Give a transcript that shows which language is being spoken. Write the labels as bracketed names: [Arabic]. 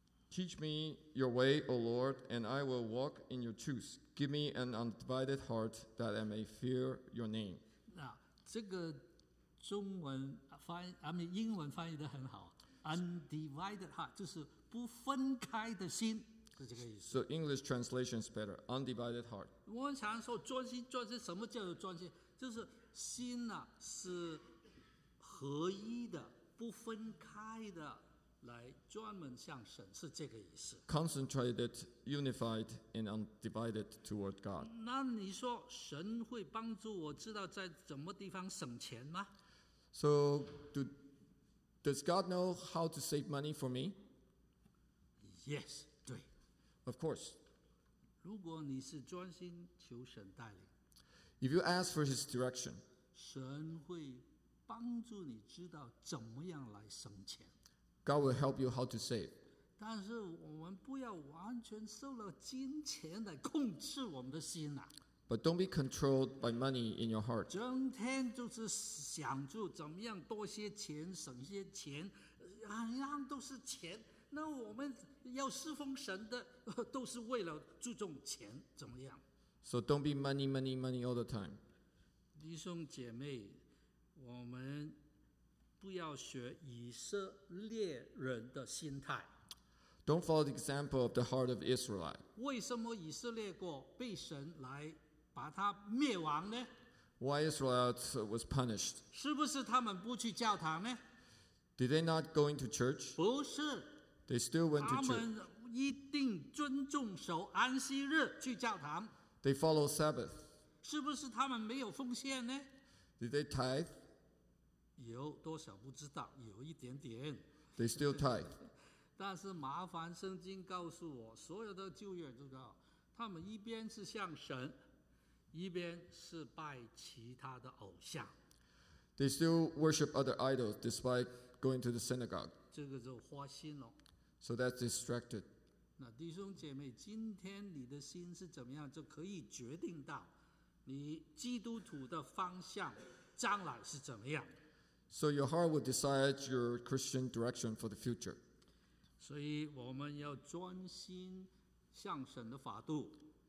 [English] Teach me your way, O Lord, and I will walk in your truth. Give me an undivided heart that I may fear your name. [Chinese] 这个中文翻译，英文翻译得很好。 [English] Undivided heart [Chinese] 就是不分开的心，是这个意思。 [English] So English translation is better. Undivided heart. [Chinese] 我们常说专心，专心什么叫做专心？就是心啊是合一的，不分开的，来专门向神，是这个意思。 [English] Concentrated, unified, and undivided toward God. [Chinese] 那你说神会帮助我知道在什么地方省钱吗 [English] ？So do. Does God know how to save money for me? Yes, [Chinese] 对。 [English] Of course. [Chinese] 如果你是专心求神带领， [English] If you ask for his direction, [Chinese] 神会帮助你知道怎么样来省钱。 [English] God will help you how to save. [Chinese] 但是我们不要完全受了金钱来控制我们的心啊。 [English] But don't be controlled by money in your heart. [Chinese] 整天就是想着怎么样多些钱，省些钱，样样都是钱。那我们要侍奉神的，都是为了注重钱，怎么样？ [English] So don't be money, money, money all the time. [Chinese] 弟兄姐妹，我们不要学以色列人的心态。 [English] Don't follow the example of the heart of Israelite. [Chinese] 为什么以色列国被神来把他灭亡呢？ [English] Why Israel was punished? [Chinese] 是不是他们不去教堂呢？ [English] Did they not go into church? [Chinese] 不是。 [English] They still went to church. [Chinese] 他们一定尊重守安息日去教堂。 [English] They follow Sabbath. [Chinese] 是不是他们没有奉献呢？ [English] Did they tithe? [Chinese] 有多少不知道，有一点点。 [English] They still tithe. [Chinese] 但是麻烦圣经告诉我，所有的旧约都告诉我，他们一边是向神，一边是拜其他的偶像。 [English] They still worship other idols despite going to the synagogue. [Chinese] 这个就花心了。 [English] So that's distracted. [Chinese] 那弟兄姐妹，今天你的心是怎么样，就可以决定到你基督徒的方向将来是怎么样。 [English] So your heart will decide your Christian direction for the future. [Chinese] 所以我们要专心向神的法度。